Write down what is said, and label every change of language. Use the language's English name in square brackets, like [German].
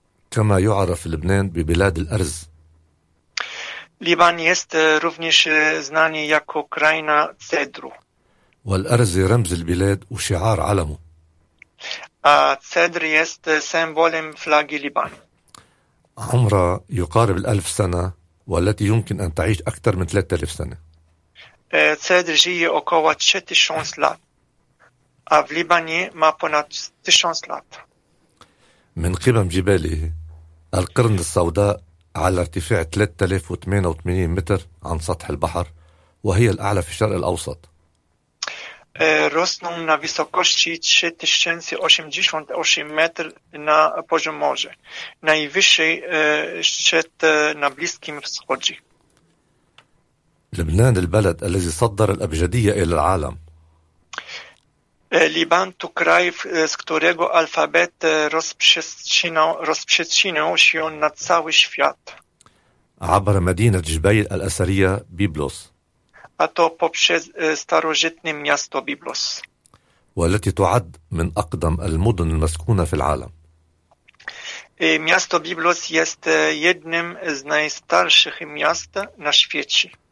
[Arabic] كما يعرف لبنان ببلاد الأرز. [Polish] Liban jest również znany jako kraina cedru. [Arabic] والأرز رمز البلاد وشعار علمه. [Polish] Cedr jest symbolem flagi Libanu. [Arabic] عمره يقارب 1000 سنة والتي يمكن أن تعيش أكثر من 3000 سنة. [Polish] Cedr żyje około 3000 lat, a w Libanie ma ponad 1000 lat. [Arabic] من قمم جباله القرن السوداء على ارتفاع 3088 متر عن سطح البحر وهي الأعلى في الشرق الأوسط. [Polish] Rosną na wysokości 3088 metr na poziom morza. Najwyższy szczyt na Bliskim Wschodzie. [Arabic] لبنان البلد الذي صدر الأبجدية إلى العالم. [Polish] Liban to kraj, z którego alfabet rozprzestrzenił się na cały świat. [Arabic] عبر مدينة جبيل الأثرية بيبلوس. [Polish] A to poprzez starożytne miasto Biblos. [Arabic] والتي تعد من أقدم المدن المسكونة في العالم. [Polish] Miasto Biblos jest jednym z najstarszych miast na świecie.